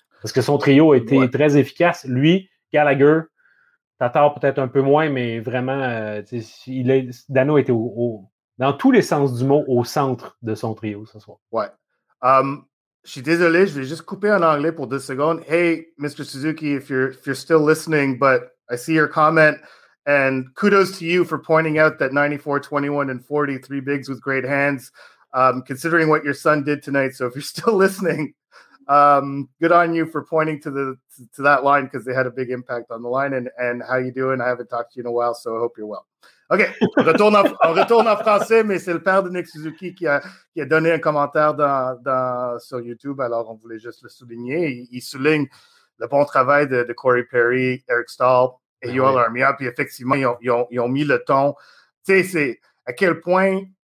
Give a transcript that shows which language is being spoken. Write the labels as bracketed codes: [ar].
[fr] Parce que son trio a été très efficace. Lui, Gallagher, Tatar peut-être un peu moins, mais vraiment, Dano était dans tous les sens du mot, au centre de son trio ce soir. Ouais. Je suis désolé, je vais juste couper en anglais pour 2 secondes. [en] Hey, Mr. Suzuki, if you're still listening, but I see your comment, and kudos to you for pointing out that 94, 21, and 40, three bigs with great hands, considering what your son did tonight. So if you're still listening, good on you for pointing to that line, because they had a big impact on the line. And how you doing? I haven't talked to you in a while, so I hope you're well. [fr] OK, on retourne en français, mais c'est le père de Nick Suzuki qui a donné un commentaire sur YouTube. Alors, on voulait juste le souligner. Il souligne le bon travail de Corey Perry, Eric Staal et Yoel Armia. Puis effectivement, ils ont mis le ton. Tu sais, c'est à quel point...